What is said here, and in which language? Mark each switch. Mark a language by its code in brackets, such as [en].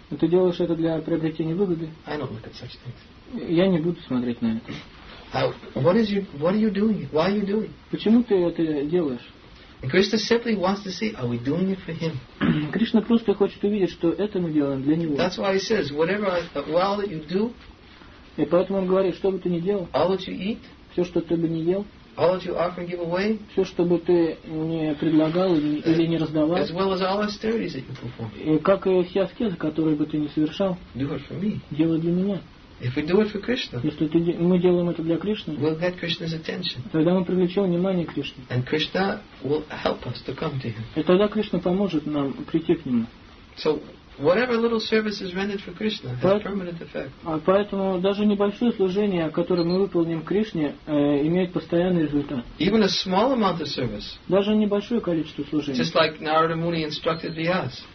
[ru] Ты делаешь это для приобретения выгоды? [en] I don't look at such things. [ru] Я не буду смотреть на это. [en] What are you doing? [ru] Почему ты это делаешь? [en] Krishna simply wants to see, are we doing it for him? [ru] Кришна просто хочет увидеть, что это мы делаем для него. [en] That's why he says, whatever well that you do. [ru] И поэтому он говорит, что бы ты ни делал. [en] All that you eat. [ru] Все, что ты бы не ел. [en] All that you offer and give away. [ru] Все, что бы ты не предлагал или не раздавал. [en] As well as all the austerities that you perform. [ru] И как и все аскезы, которые бы ты не совершал. [en] Do it for me. [ru] Делай для меня. [en] If we do it for Krishna. [ru] Если ты, мы делаем это для Кришны. [en] We'll get Krishna's attention. [ru] Тогда мы привлечем внимание Кришны. [en] And Krishna will help us to come to him. [ru] И тогда Кришна поможет нам прийти к нему. [en] So whatever little service is rendered for Krishna has permanent effect. [ru] Поэтому даже небольшое служение, которое мы выполним Кришне, имеет постоянный результат. [en] Even a small amount of service. [ru] Даже небольшое количество служения. [en] Just like Narada Muni instructed Vyas.